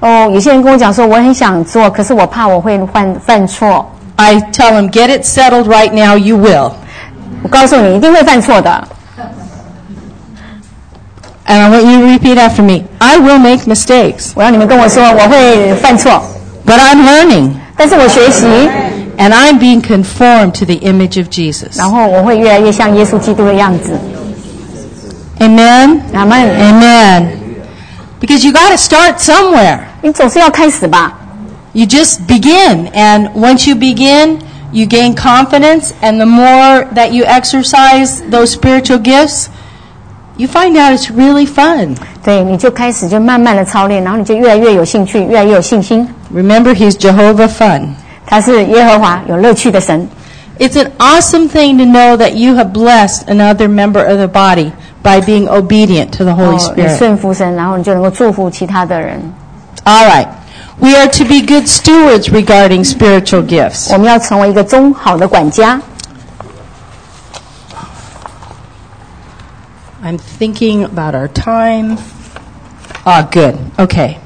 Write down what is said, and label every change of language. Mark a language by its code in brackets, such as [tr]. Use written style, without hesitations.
[zh] 有些人跟我讲说我很想做，可是我怕我会犯错。 [en] I tell them, "Get it settled right now. You will." [zh] 我告诉你，一定会犯错的。 [en] And I want you to repeat after me. I will make mistakes. [zh] 我要你们跟我说，我会犯错。 [en] But I'm learning. [zh] 但是我学习。 [en] And I'm being conformed to the image of Jesus. [zh] 然后我会越来越像耶稣基督的样子。 [en] Amen. Amen. Amen. Because you got to start somewhere. [zh] 你总是要开始吧。 [en] You just begin, and once you begin, you gain confidence, and the more that you exercise those spiritual gifts. You find out it's really fun. [zh] 对，你就开始就慢慢的操练，然后你就越来越有兴趣，越来越有信心。 [en] Remember, he's Jehovah fun. [zh] 他是耶和华有乐趣的神。 [en] It's an awesome thing to know that you have blessed another member of the body by being obedient to the Holy Spirit. [zh] 你顺服神，然后你就能够祝福其他的人。 [en] All right, we are to be good stewards regarding spiritual gifts. [zh] 我们要成为一个忠好的管家。 [en] I'm thinking about our time. Ah, good. Okay.